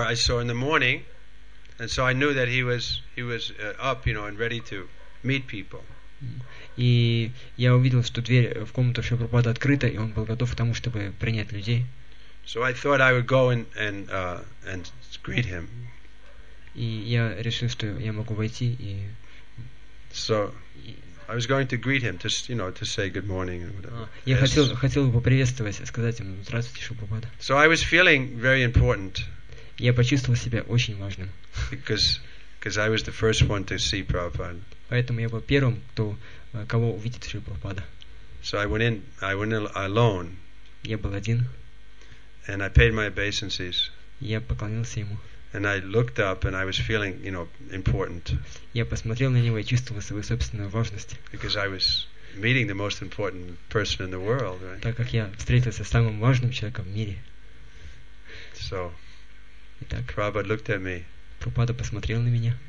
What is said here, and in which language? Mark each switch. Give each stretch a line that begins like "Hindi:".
English: I saw in the morning, and so I knew that he was up, you know, and ready to meet people.
Russian: И я увидел, что дверь в комнату Шрила Прабхупада открыта, и он был готов к тому, чтобы принять людей.
English: So I thought I would go and greet him.
Russian: И я решил, что я могу войти и.
English: So I was going to greet him, just you know, to say good morning and whatever.
Russian: Я хотел его поприветствовать, сказать ему здравствуйте, Шрила Прабхупада.
English: So I was feeling very important.
Russian: Я почувствовал себя очень важным.
English: Because I was the first one to see Prabhupada.
Russian: Поэтому я был первым, кто кого увидит Шрила Прабхупада.
English: So I went in alone.
Russian: Я был один.
English: And I paid my obeisances.
Russian: Я поклонился ему.
English: And I looked up, and I was feeling, you know, important.
Russian: Я посмотрел на него и чувствовал свою собственную важность.
English: Because I was meeting the most important person in the world, right?
Russian: Так как я встретился с самым важным человеком в мире.
English: So.
Russian: Итак.
English: Prabhupada looked at me.
Russian: Прабхупада посмотрел на меня.